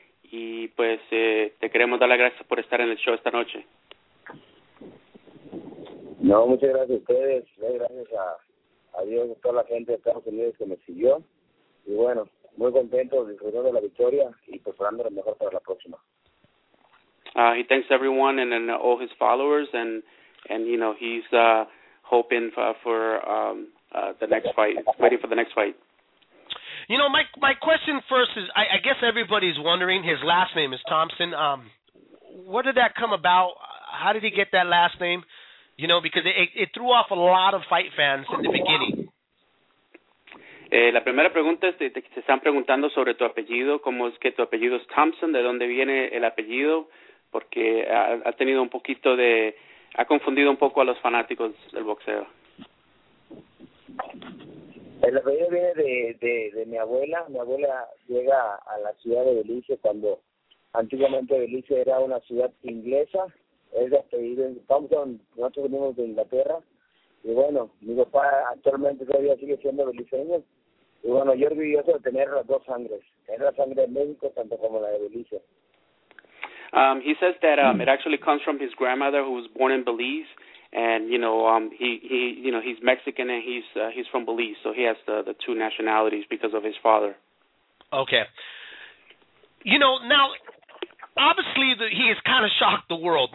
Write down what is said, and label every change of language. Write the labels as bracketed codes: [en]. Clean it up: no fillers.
[es] Y pues te queremos dar las gracias por estar en el show esta noche. No, muchas gracias a ustedes. Gracias a Dios y a toda la gente de Estados Unidos que me siguió. Y bueno, muy contento, disfrutando de la victoria y preparando lo mejor para la próxima. [en] He thanks everyone and all his followers. And you know, he's hoping for the next fight, waiting for the next fight. You know, my question first is, I guess everybody's wondering, his last name is Thompson. Where did that come about? How did he get that last name? You know, because it threw off a lot of fight fans in the beginning. [es] La primera pregunta es, se están preguntando sobre tu apellido, cómo es que tu apellido es Thompson, de dónde viene el apellido, porque ha tenido un poquito de, ha confundido un poco a los fanáticos del boxeo. El apellido viene de mi abuela. Mi abuela llega a la ciudad de Belice cuando antiguamente Belice era una ciudad inglesa. Es de apellido en Thompson, nosotros venimos de Inglaterra. Y bueno, mi papá actualmente todavía sigue siendo beliceño. Y bueno, yo orgulloso de tener las dos sangres. Tener la sangre de México tanto como la de Belice. [en] He says that it actually comes from his grandmother who was born in Belize. And you know he he's Mexican and he's from Belize, so he has the two nationalities because of his father. Okay. You know, now obviously he has kind of shocked the world.